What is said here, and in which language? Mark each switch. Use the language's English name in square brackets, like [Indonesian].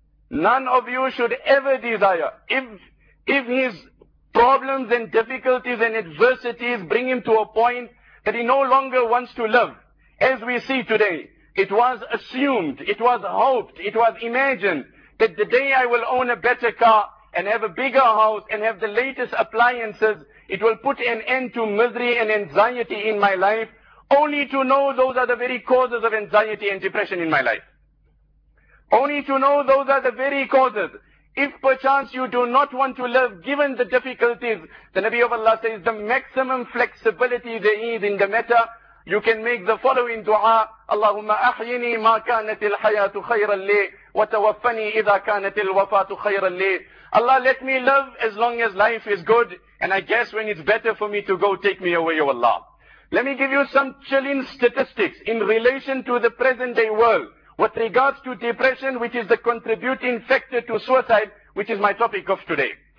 [English] None of you should ever desire. If his problems and difficulties and adversities bring him to a point that he no longer wants to live, as we see today, it was assumed, it was hoped, it was imagined that the day I will own a better car and have a bigger house and have the latest appliances, it will put an end to misery and anxiety in my life, only to know those are the very causes of anxiety and depression in my life. Only to know those are the very causes. If perchance you do not want to live, given the difficulties, the Nabi of Allah says, the maximum flexibility there is in the matter, You can make the following dua. [Arabic] اللهم أحيني ما كانت الحياة خيرا لي وتوفني إذا كانت الوفاة خيرا لي. [English] Allah, let me live as long as life is good, and I guess when it's better for me to go, take me away, oh Allah. Let me give you some chilling statistics in relation to the present day world with regards to depression, which is the contributing factor to suicide, which is my topic of today.